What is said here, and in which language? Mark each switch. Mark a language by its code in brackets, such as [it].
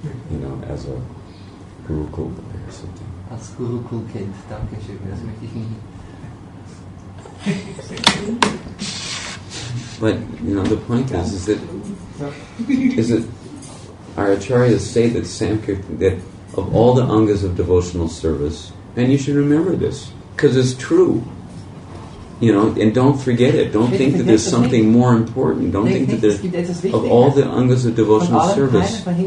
[en] You know, as a Gurukul boy or something. [de] Als Gurukul-Kind, danke schön, das möchte ich nicht. [en] But you know the point is that our acharyas say that Sankirtan, that of all the angas of devotional service, and you should remember this because it's true, you know, and don't forget it, don't think that there's something more important, don't think that there's, of all the angas of devotional service,